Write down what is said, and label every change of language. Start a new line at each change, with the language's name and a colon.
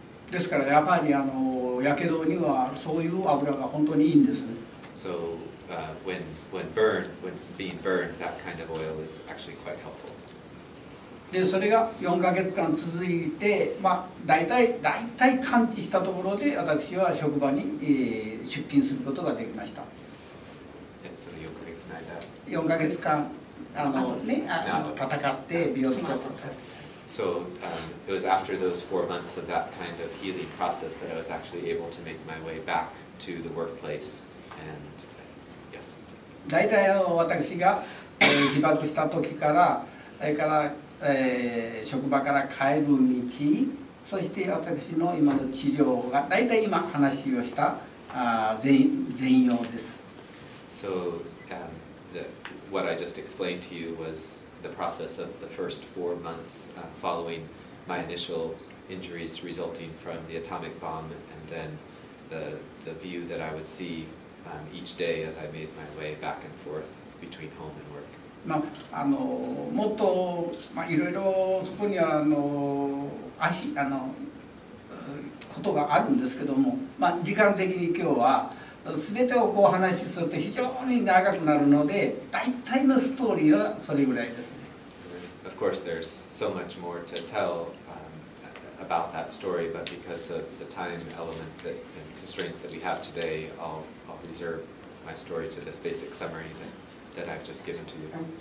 Japanese: ですからやっぱりあの火傷にはそういう油が本当にいいんです。
English: So when being burned, that kind of oil is actually quite helpful.
Japanese: でそれが4ヶ月間続いて、まあだいたい完治したところで私は職場に出勤することができました。それ4ヶ月間。 4ヶ月間。
English: So it was after those 4 months of that kind of healing process that I was actually able to make my way back to the workplace. And yes.
Japanese: だいたい私が被爆した時から、それから職場から帰る道、そして私の今の治療がだいたい今話をした全容です。
English: So what I just explained to you was the process of the first 4 months following my initial injuries resulting from the atomic bomb, and then the view that I would see each day as I made my way back and forth between home and work.
Japanese: まああのもっとまあいろいろそこにはあの足あのことがあるんですけども、まあ時間的に今日は。すべてをこう話しすると非常に長くなるので、大体のストーリーはそれぐらいですね。
English: Of course, there's so much more to tell about that story, but because of the time element that, and constraints that we have today, I'll reserve my story to this basic summary that I've just given to you.